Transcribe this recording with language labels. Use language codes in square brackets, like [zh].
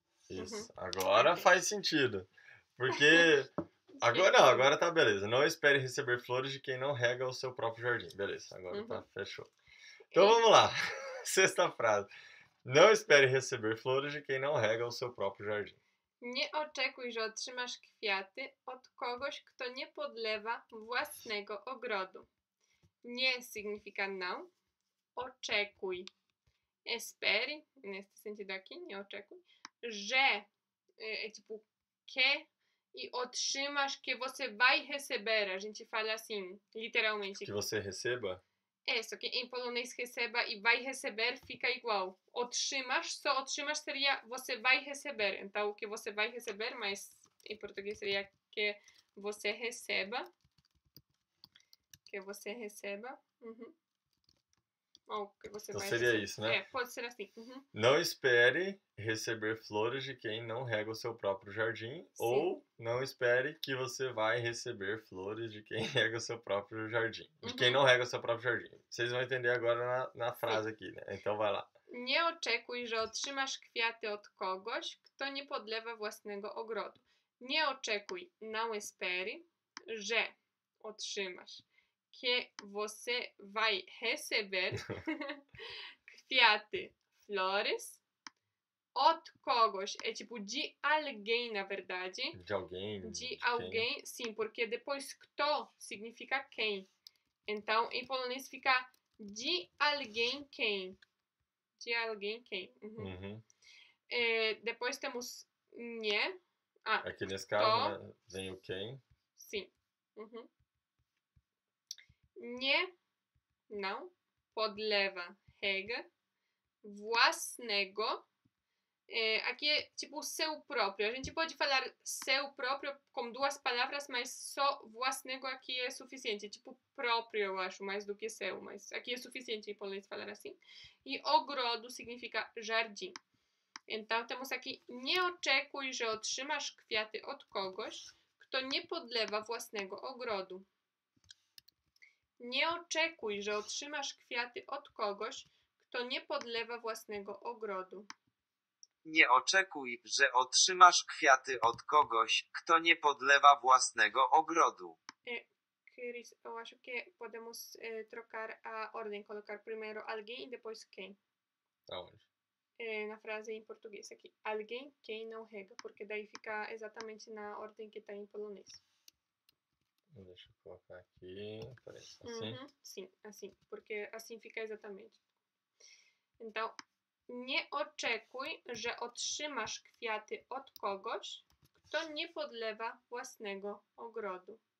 [pt] É. Isso. Uhum. Agora faz sentido. Porque... Agora não, agora tá beleza. Não espere receber flores de quem não rega o seu próprio jardim. Beleza, agora tá, fechou. Então vamos lá. Sexta frase. Não espere receber flores de quem não rega o seu próprio jardim. [pl] Nie oczekuj, że otrzymasz kwiaty od kogoś, kto nie podlewa własnego ogrodu. Nie [pt] significa não. [pl] Oczekuj. [pt] Espere, neste sentido aqui, [pl] nie oczekuj, że, [pt] tipo, que, e [pl] otrzymasz, [pt] que você vai receber. A gente fala assim, literalmente. Que você receba. É, só que em polonês receba e vai receber fica igual. [pl] Otrzymasz, [pt] só [pl] otrzymasz [pt] seria você vai receber. Então, o que você vai receber, mas em português seria que você receba. Que você receba. Uhum. Ou que você então vai seria receber. Isso, né? É, pode ser assim. Uhum. Não espere receber flores de quem não rega o seu próprio jardim. Sim. Ou não espere que você vai receber flores de quem rega o seu próprio jardim. De quem não rega o seu próprio jardim. Vocês vão entender agora na frase aqui, né? Então vai lá. [pl] Nie oczekuj, że otrzymasz kwiaty od kogoś, kto nie podlewa własnego ogrodu. Nie oczekuj, [pt] não espere, [pl] że otrzymasz, [pt] que você vai receber [pl] kwiaty, [pt] flores, [pl] od kogoś, [pt] é tipo de alguém, na verdade. De alguém. De alguém, quem? Sim, porque depois [pl] kto [pt] significa quem. Então, em polonês fica de alguém quem. De alguém quem. Uhum. É, depois temos nie. Ah, aqui nesse caso, né? Vem o quem. Sim. Uhum. [pl] Nie, [pt] não, [pl] podleva, [pt] rega, [pl] własnego. [pt] É, aqui é tipo seu próprio. A gente pode falar seu próprio com duas palavras, mas só [pl] własnego [pt] aqui é suficiente. Tipo próprio, eu acho, mais do que seu. Mas aqui é suficiente em polonês falar assim. E [pl] ogrodo [pt] significa jardim. Então temos aqui: [pl] nie oczekuj, że otrzymasz kwiaty od kogoś, kto nie podlewa własnego ogrodu. Nie oczekuj, że otrzymasz kwiaty od kogoś, kto nie podlewa własnego ogrodu. Nie oczekuj, że otrzymasz kwiaty od kogoś, kto nie podlewa własnego ogrodu. [pt] Chris, eu acho que podemos trocar a ordem, colocar primeiro alguém e depois quem. Aonde? Na frase em português aqui. Alguém, quem não rega, porque daí fica exatamente na ordem que está em polonês. Deixa eu colocar aqui, assim. Uhum, sim, assim, porque assim fica exatamente. Então... [pl] Nie oczekuj, że otrzymasz kwiaty od kogoś, kto nie podlewa własnego ogrodu.